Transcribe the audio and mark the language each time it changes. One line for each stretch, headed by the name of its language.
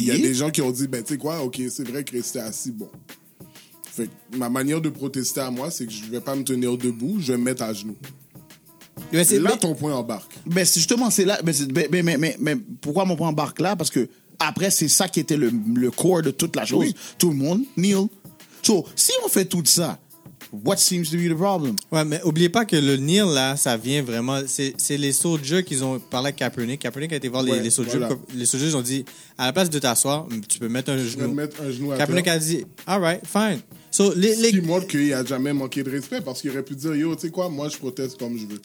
French: Il y a des gens qui ont dit, ben, tu sais quoi, OK, c'est vrai que rester assis, bon. Fait que ma manière de protester à moi, c'est que je vais pas me tenir debout, je vais me mettre à genoux. Mais c'est, là, mais, ton point embarque. Mais c'est justement, c'est là. Mais pourquoi mon point embarque là? Parce que après, c'est ça qui était le core de toute la chose. Oui. Tout le monde, Neil.
English: So,
French: si on fait tout ça,
English: what seems to be the problem?
French: Ouais, mais oubliez pas que le Neil, là, ça vient vraiment. C'est les soldats qui ont parlé à Kaepernick. Kaepernick a été voir les soldats. Voilà. Les soldats, ils ont dit, à la place de t'asseoir, tu peux mettre un genou. Tu peux mettre un genou à terre. Kaepernick a dit,
English: all right, fine.
French: Qui montre qu'il n'a jamais manqué de respect parce qu'il aurait pu dire, yo, tu sais quoi, moi, je proteste comme je veux.